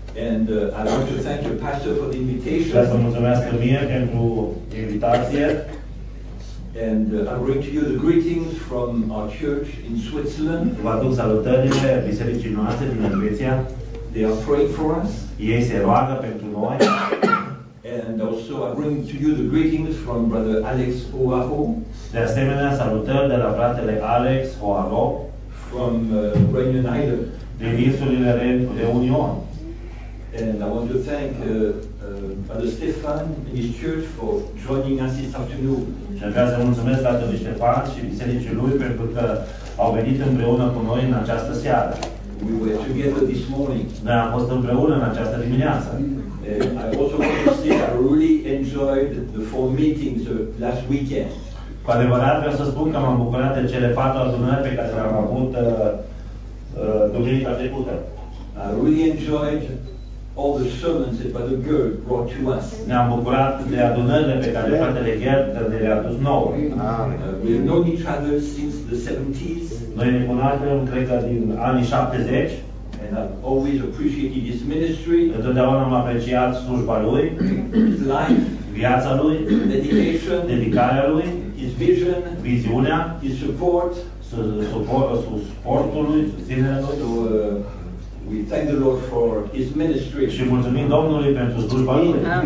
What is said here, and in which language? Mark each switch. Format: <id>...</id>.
<en>And I want to thank you, Pastor, for the invitation.</en> <ro>Vreau să mulțumesc mie pentru invitație.</ro> <en>And I bring to you the greetings from our church in Switzerland.</en> <ro>Vă aduc salutările bisericii noastre din Elveția.</ro> <en>They are praying for us.</en> <ro>Ei se roagă pentru noi.</ro> <en>And also I bring to you the greetings from Brother Alex Oaho.</en> <ro>De asemenea, salutări de la fratele Alex Oaho.</ro> <en>From Reunion Island.</en> <ro>Din insulele Reunion.</ro> <en>And I want to thank Brother Stefan and his church for joining us this afternoon.</en> <ro>Și aș vrea să mulțumesc fratele Stefan și bisericii lui pentru că au venit împreună cu noi în această seară.</ro> <en>We were together this morning.</en> <ro>Noi am fost împreună în această dimineață.</ro> <en>I also want to say I really enjoyed the four meetings last weekend.</en> <ro>Cu adevărat vreau să spun că m-am bucurat de cele patru adunări pe care le-am avut duminica trecută.</ro> <en>I really enjoyed all the sermons that Brother Gerd brought to us.</en> <ro>Ne-am bucurat de adunările pe care fratele Gerd le-a adus nouă.</ro> <en>We have known each other since the 70s.</en> <ro>Noi ne cunoaștem, cred că, din anii 70.</ro> <en>And I've always appreciated his ministry.</en> <ro>Întotdeauna am apreciat slujba lui.</ro> <en>His life.</en> <ro>Viața lui.</ro> <en>Dedication.</en> <ro>Dedicarea lui.</ro> <en>His vision.</en> <ro>Viziunea.</ro> <en>His support.</en> <ro>Suportul lui, susținerea lui.</ro> <en>We thank the Lord for his ministry.</en> <ro>Și mulțumim Domnului pentru slujba lui.</ro>